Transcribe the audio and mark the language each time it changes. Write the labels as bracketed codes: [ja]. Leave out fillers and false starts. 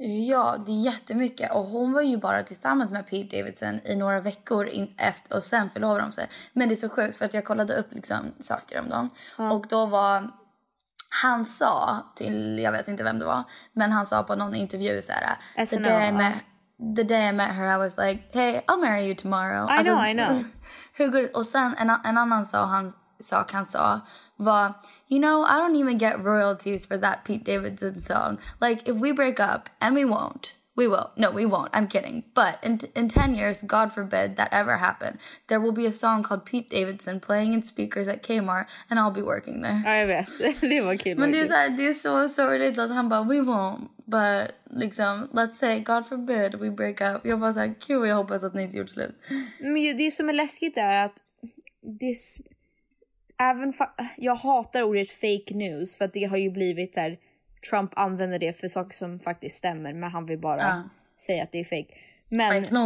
[sv] Ja, det är jättemycket. Och hon var ju bara tillsammans med Pete Davidson i några veckor efter. Och sen förlovade de sig. Men det är så sjukt för att jag kollade upp liksom saker om dem. Ja. Och då var... han sa till, jag vet inte vem det var. Men han sa på någon intervju så här... [en] the day I met her I was like, hey, I'll marry you tomorrow. I know. [sv] Hur går det? Och sen en annan sa, han sa... [en] var, you know, I don't even get royalties for that Pete Davidson song. Like, if we break up, and we won't. We will. No, we won't. I'm kidding. But in 10 years, God forbid that ever happen, there will be a song called Pete Davidson playing in speakers at Kmart, and I'll be working there. [sv] Jag vet. Det var kul. Men det är så sorgligt att han bara, [en] we won't. But, liksom, let's say, God forbid, we break up. [sv] Jag bara såhär, kul, jag hoppas att ni inte gjort slut. Men det som är läskigt är att this... även jag hatar ordet fake news för att det har ju blivit där Trump använder det för saker som faktiskt stämmer, men han vill bara säga att det är fake. Men